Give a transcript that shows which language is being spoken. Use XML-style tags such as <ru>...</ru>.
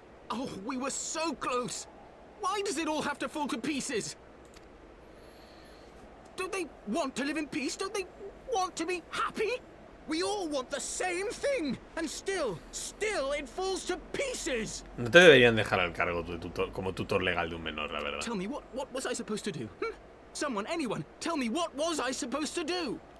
<en>Oh, we were so close. Why does it all have to fall to pieces? Don't they want to live in peace? Don't they want to be happy? We all want the same thing, and still it falls to pieces.</en> <es>No te deberían dejar al cargo de tutor, como tutor legal de un menor, la verdad.</es> <en>Tell me what was I supposed to do? Someone, anyone, tell me what was I supposed to do?</en>